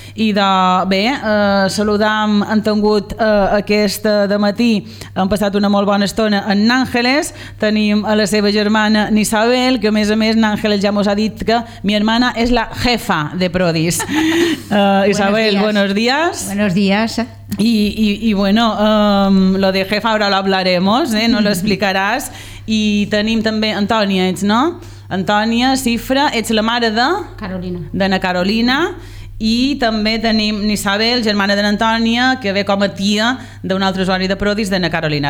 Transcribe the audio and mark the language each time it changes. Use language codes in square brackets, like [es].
[ca] I de bé, saludam, hem tingut aquest dematí, hem passat una molt bona estona en Nàngeles, tenim a la seva germana Isabel, que a més Nàngeles ja mos ha dit que [es] mi hermana [ca] és la jefa de Prodis. [es] Isabel, buenos días. Buenos días. I bueno, lo de jefa ahora lo hablaremos, [ca] no lo explicaràs. I tenim també Antònia, ets, no? Antònia Cifra, ets la mare de Carolina. D'Ana Carolina. I també tenim Isabel, germana de Antònia, que ve com a tia d'un altre usuari de Prodis, d'Ana Carolina.